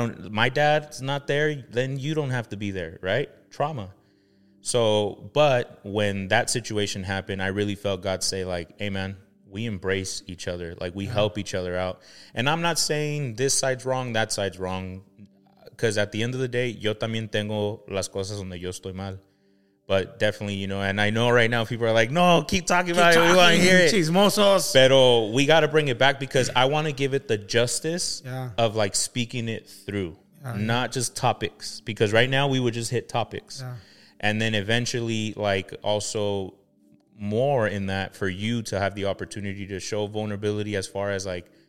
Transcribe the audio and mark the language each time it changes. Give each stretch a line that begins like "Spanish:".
English: My dad's not there. Then you don't have to be there, right? Trauma. So, but when that situation happened, I really felt God say, like, hey, man, we embrace each other. Like, we help each other out. And I'm not saying this side's wrong, that side's wrong. Because at the end of the day,
Spanish: yo también tengo las cosas donde yo estoy mal.
English: But definitely, you know, and I know right now people are like, no, keep talking about it. We want to hear it.
Spanish: Chismosos.
English: Pero we got to bring it back, because I want to give it the justice of, like, speaking it through. Not just topics. Because right now we would just hit topics. Yeah. And then eventually, like, also more in that, for you to have the opportunity to show vulnerability as far as, like,